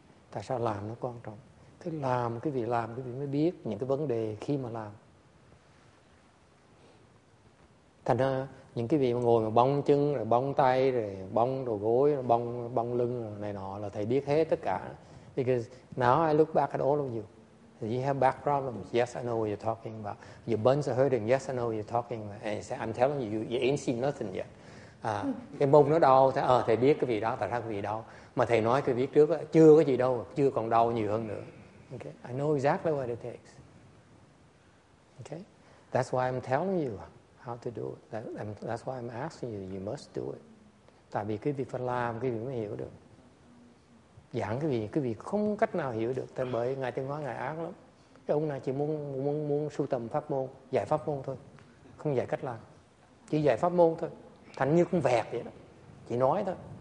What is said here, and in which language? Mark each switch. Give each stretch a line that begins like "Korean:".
Vietnamese: Tại sao làm nó quan trọng? Cái làm, cái việc làm, cái việc mới biết những cái vấn đề khi mà làm. Thành ra những cái vị mà ngồi mà bong chân rồi bong tay rồi bong đầu gối rồi bong lưng rồi này nọ là thầy biết hết tất cả.
English: Because now I look back at all of you. You have back problems. Yes, I know what you're talking about. Your buns are hurting. Yes, I know what you're talking about. And say, I'm telling you, you ain't seen nothing yet.
Vietnamese: Cái mông nó đau, thầy biết cái vị đó, tại sao cái vị đau. Mà thầy nói cái biết trước, chưa có gì đâu, chưa còn đau nhiều hơn nữa.
English: Okay, I know exactly what it takes. Okay, that's why I'm telling you how to do it. That's why I'm asking you, you must do it.
Vietnamese: Tại vì quý vị phải làm, quý vị mới hiểu được. Giảng quý vị không cách nào hiểu được, tại bởi Ngài Tiên Hóa Ngài ác lắm. Cái ông này chỉ muốn sưu tầm pháp môn, giải pháp môn thôi, không giải cách làm. Chỉ giải pháp môn thôi, thành như con vẹt vậy đó, chỉ nói thôi.